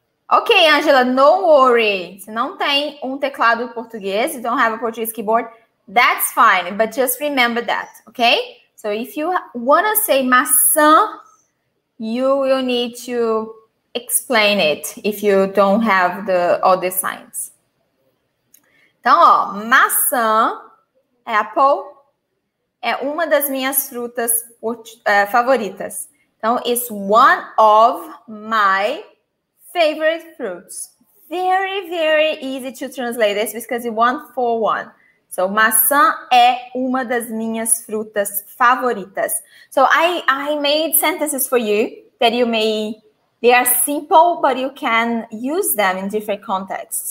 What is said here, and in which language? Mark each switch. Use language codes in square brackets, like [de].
[en] Ok, Angela, no worry. [pt] Você não tem um teclado português, [en] you don't have a Portuguese keyboard, that's fine, but just remember that, ok? So if you want to say maçã, you will need to explain it if you don't have all the signs. [pt] Então, ó, maçã, apple, é uma das minhas frutas favoritas. [en] Então, it's one of my favorite fruits. Very, very easy to translate this because it's 1-4-1. [pt] So, maçã é uma das minhas frutas favoritas. [en] So, I made sentences for you that you may... They are simple, but you can use them in different contexts.